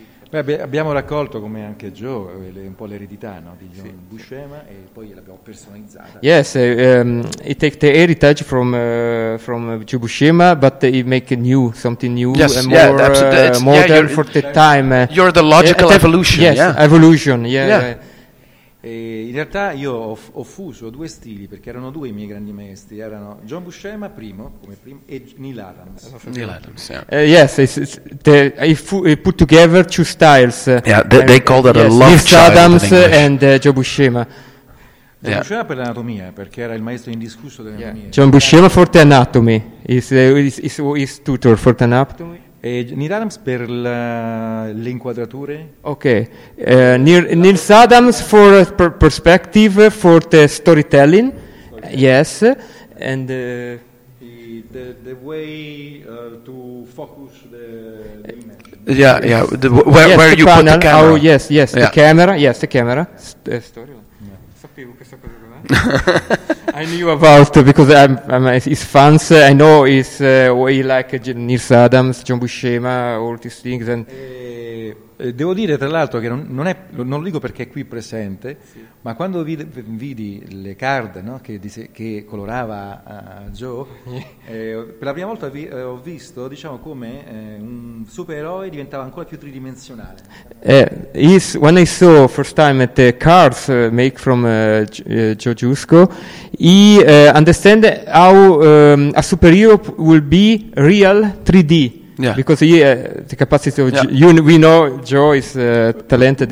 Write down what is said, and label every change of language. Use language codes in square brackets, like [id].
[it] Beh, abbiamo raccolto come anche Joe un po' l'eredità, no, di John Buscema, e poi l'abbiamo personalizzata. [en] Yes, he take the heritage from Joe Buscema, but he make a new something new, yes, and yeah, more modern for the time. You're the logical evolution. Yes, yeah. Evolution, yeah. Yeah. [it] E in realtà io ho fuso due stili, perché erano due i miei grandi maestri, erano John Buscema primo e Neil Adams. [en] Neil Adams, yes, I put together two styles. Yeah, they called it a love child. Neil Adams and John Buscema. [it] John Buscema per l'anatomia, perché era il maestro indiscusso delle anatomie. [en] John Buscema for the anatomy, his tutor for the anatomy. [it] E Neil Adams per le inquadrature. [en] Ok. Neil Adams for perspective, for the storytelling. Okay. Yes. And the way to focus the image. Yeah, yeah. Where you panel, put the camera? Oh, yes, yes. Yeah. The camera. Yes, the camera. Story. [it] Sapevo questa cosa. [en] I knew about because I'm his fans. I know he like Neil Adams, John Buscema, all these things. And [it] Devo dire tra l'altro che non lo dico perché è qui presente, sì. Ma quando vidi le card, no, che colorava Joe, per la prima volta ho visto, diciamo, come un supereroe diventava ancora più tridimensionale. [en] When I saw first time at the cards made from Joe Giusco, he understand how a superhero will be real 3D. Yeah. Because he, the capacity of we know Joe is talented.